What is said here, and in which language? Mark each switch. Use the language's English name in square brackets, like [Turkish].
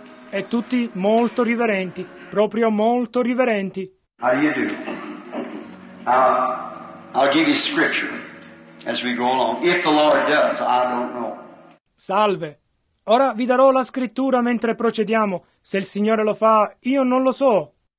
[Italian] E tutti molto riverenti, proprio molto riverenti. [English] How do you do? I'll give you scripture as we go along. If the Lord does, I don't know. [Italian] Salve. Ora vi darò la scrittura mentre procediamo. Se il Signore lo fa, io non lo so.